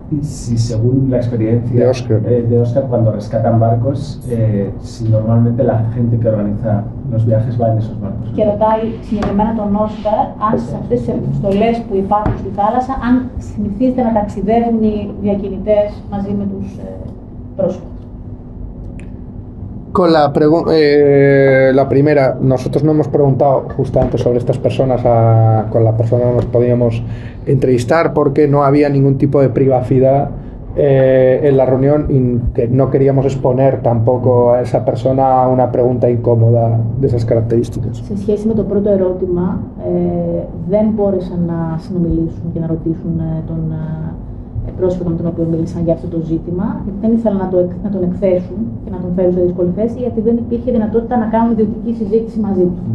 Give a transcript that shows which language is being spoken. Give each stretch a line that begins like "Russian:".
Spanish: Si según la experiencia de Oscar, cuando rescatan barcos, si normalmente la gente que organiza los viajes va en esos barcos. Quiero dar
Greek: συγκεκριμένα τον Oscar, αν σε αυτές τις επιστολές που υπάρχουν στη θάλασσα, αν συνηθίζεται να ταξιδεύουν οι διακινητές μαζί με τους πρόσφυγες.
Spanish: Con la primera, nosotros no hemos preguntado justamente sobre estas personas, con las personas nos podíamos entrevistar porque no había ningún tipo de privacidad en la reunión y que no queríamos exponer tampoco a esa persona a una pregunta incómoda de esas características.
Greek: Σε σχέση με το πρώτο ερώτημα, δεν μπόρεσαν να συνομιλήσουν και να ρωτήσουν τον πρόσφυγα με τον οποίο μίλησαν για αυτό το ζήτημα, γιατί δεν ήθελαν να τον εκθέσουν και να τον φέρουν σε δύσκολη θέση, γιατί δεν υπήρχε δυνατότητα να κάνουν ιδιωτική συζήτηση μαζί του.